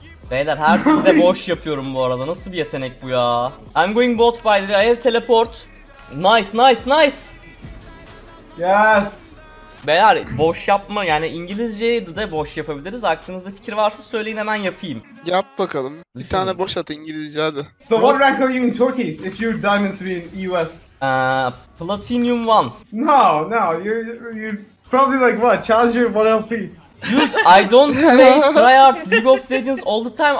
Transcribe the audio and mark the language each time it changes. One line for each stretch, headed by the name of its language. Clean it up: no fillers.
Turkish: Beyler her türde boş yapıyorum bu arada, nasıl bir yetenek bu ya?
English: I'm going bot by the way, I have teleport. Nice. Yes.
Turkish: Beyler boş yapma, yani İngilizce'de de boş yapabiliriz. Aklınızda fikir varsa söyleyin, hemen yapayım. Yap bakalım. Bir tane boş at İngilizce hadi.
English: So what rank are you in Turkey if you're Diamond 3 in US? Platinum 1. No, you're probably like what? Challenger 1LP. Dude, I don't play tryhard League of Legends all the time.